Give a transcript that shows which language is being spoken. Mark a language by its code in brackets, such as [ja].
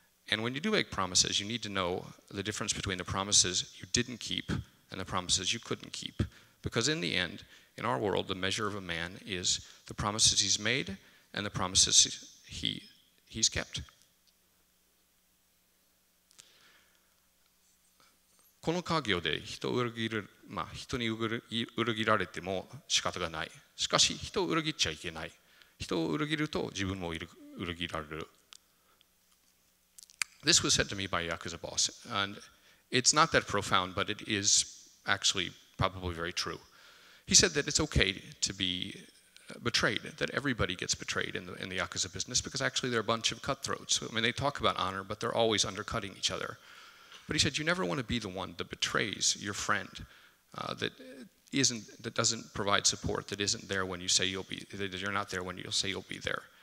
[en] And when you do make promises, you need to know the difference between the promises you didn't keep and the promises you couldn't keep. Because in the end, in our world, the measure of a man is the promises he's made and the promises he's kept. [ja] この家業で人を裏切る、人に裏切られても仕方がない。しかし、人を裏切っちゃいけない。人を裏切ると自分も裏切られる。 [en] This was said to me by Yakuza boss, and it's not that profound, but it is actually probably very true. He said that it's okay to be betrayed, that everybody gets betrayed in the Yakuza business because actually they're a bunch of cutthroats. I mean, they talk about honor, but they're always undercutting each other. But he said, you never want to be the one that betrays your friend that doesn't provide support, that isn't there when you say you'll be, that you're not there when you'll say you'll be there.